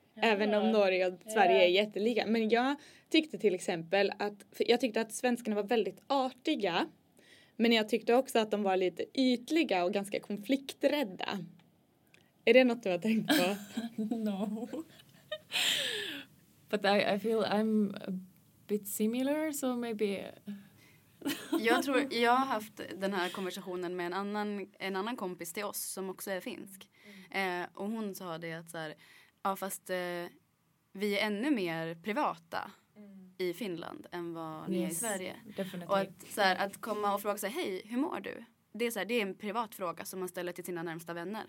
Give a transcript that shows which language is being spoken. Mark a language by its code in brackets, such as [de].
[sv] Även om Norge och Sverige är jättelika. Men jag tyckte till exempel att, jag tyckte att svenskarna var väldigt artiga. Men jag tyckte också att de var lite ytliga och ganska konflikträdda. Är det något du har tänkt på? [en] No. But I feel I'm a bit similar, so maybe... [sv] Jag tror, jag har haft den här konversationen med en annan kompis till oss som också är finsk. Och hon sa det att så här... Ja, fast vi är ännu mer privata i Finland än vad ni är i Sverige. [en] Definitely. [sv] Och att, så här, att komma och fråga sig, hej, hur mår du? Det är, så här, det är en privat fråga som man ställer till sina närmsta vänner.